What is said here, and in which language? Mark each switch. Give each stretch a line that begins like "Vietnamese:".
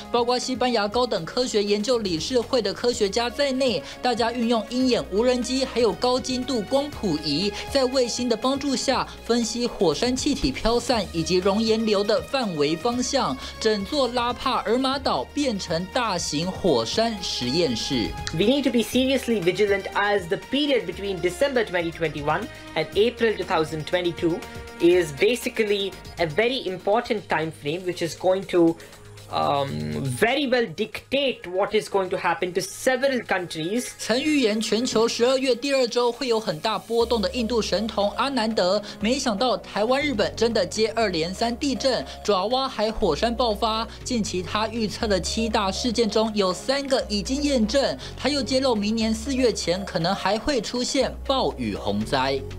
Chinese: 包括西班牙高等科学研究理事会的科学家在内，大家运用鹰眼无人机，还有高精度光谱仪，在卫星的帮助下分析火山气体飘散以及熔岩流的范围方向。整座拉帕尔马岛变成大型火山实验室。
English: We need to be seriously vigilant as the period between December 2020. And April 2022 is basically a very important time frame, which is going to very well dictate what is going to happen to several countries.
Chinese: 曾预言全球十二月第二周会有很大波动的印度神童阿南德，没想到台湾、日本真的接二连三地震，爪哇海火山爆发。近期他预测的七大事件中有三个已经验证，他又揭露明年四月前可能还会出现暴雨洪灾。